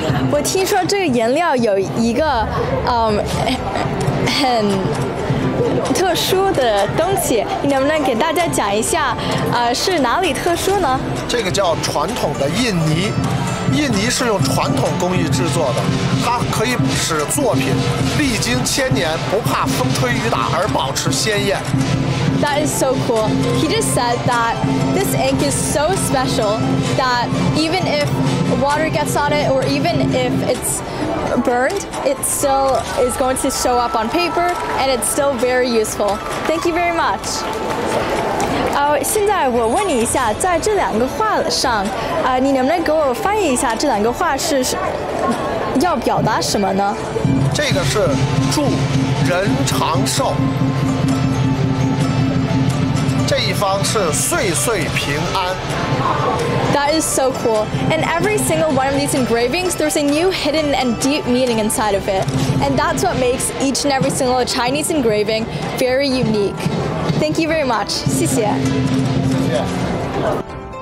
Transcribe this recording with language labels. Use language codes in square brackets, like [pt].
[zh] 我听说这个颜料有一个很特殊的东西，你能不能给大家讲一下是哪里特殊呢？这个叫传统的印泥，印泥是用传统工艺制作的，它可以使作品历经千年不怕风吹雨打而保持鲜艳。 [en] That is so cool. He just said that this ink is so special that even if water gets on it or even if it's burned, it still is going to show up on paper and it's still very useful. Thank you very much. [zh] 现在我问你一下，在这两个画上，你能不能给我翻译一下这两个画是要表达什么呢？这个是祝人长寿，这一方是岁岁平安。 [en] That is so cool. And every single one of these engravings, there's a new hidden and deep meaning inside of it. And that's what makes each and every single Chinese engraving very unique. Thank you very much. [zh] 谢谢。